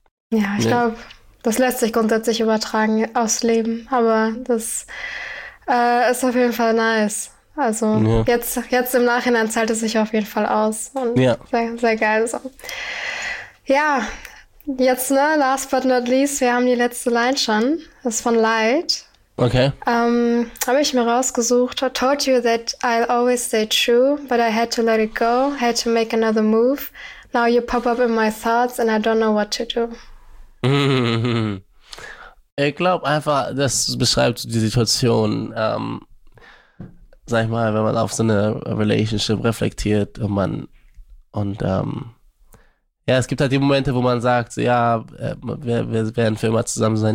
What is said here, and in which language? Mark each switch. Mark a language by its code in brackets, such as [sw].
[de] Ja, ich glaube, das lässt sich grundsätzlich übertragen aufs Leben, aber das ist auf jeden Fall nice. Also jetzt im Nachhinein zahlt es sich auf jeden Fall aus. Und sehr, sehr geil so. Ja, jetzt, ne, [en] last but not least, [de] wir haben die letzte Line schon. Das ist von Light. Okay. Habe ich mir rausgesucht. [en] I told you that I'll always stay true, but I had to let it go, had to make another move. Now you pop up in my thoughts and I don't know what to do. [de] Ich glaube einfach, das beschreibt die Situation, sag ich mal, wenn man auf so eine Relationship reflektiert und man und ja, es gibt halt die Momente, wo man sagt, ja, wir werden für immer zusammen sein.